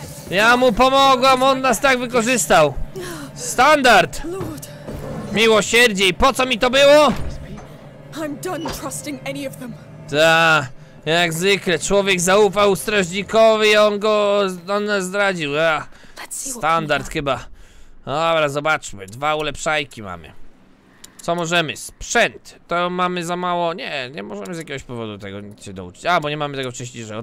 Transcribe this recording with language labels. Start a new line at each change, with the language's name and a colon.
Polish: Ja mu pomogłam, on nas tak wykorzystał. Standard. Miłosierdzie, i po co mi to było?
English: I'm done trusting any of them.
Polish: Ta. Jak zwykle, człowiek zaufał strażnikowi, on nas zdradził. Standard chyba. Dobra, zobaczmy. Dwa ulepszajki mamy. Co możemy? Sprzęt. To mamy za mało. Nie, nie możemy z jakiegoś powodu tego nic się douczyć. A, bo nie mamy tego wcześniejszego.